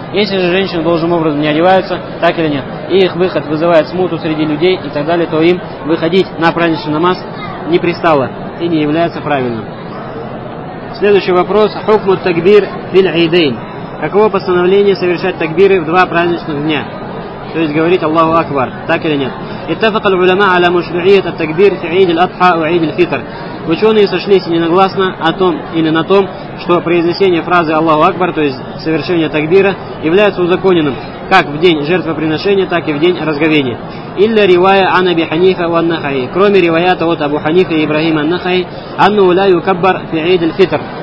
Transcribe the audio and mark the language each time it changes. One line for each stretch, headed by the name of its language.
Russian: Если же женщины должным образом не одеваются, так или нет, и их выход вызывает смуту среди людей и так далее, то им выходить на праздничный намаз не пристало и не является правильным. Следующий вопрос.
Arabic: Хукму такбир фил айдейн.
Russian: Каково постановление совершать такбиры в два праздничных дня? То есть говорить Аллаху Акбар, так или нет?
Arabic: اتفق العلماء على مشروعية التكبير في عيد الأضحى وعيد الفطر.
Russian: Ученые сошлись единогласно о том или на том, что произнесение фразы Аллаху Акбар, то есть совершение такбира, является узаконенным как в день жертвоприношения, так и в день разговения.
Arabic: Илля ривая ан Аби Ханифа ва ан-Нахаи.
Russian: Кроме ривайата от Абу Ханифа и Ибрахима ан-Нахаи,
Arabic: анну ла юкаббар фи عيد الفطر.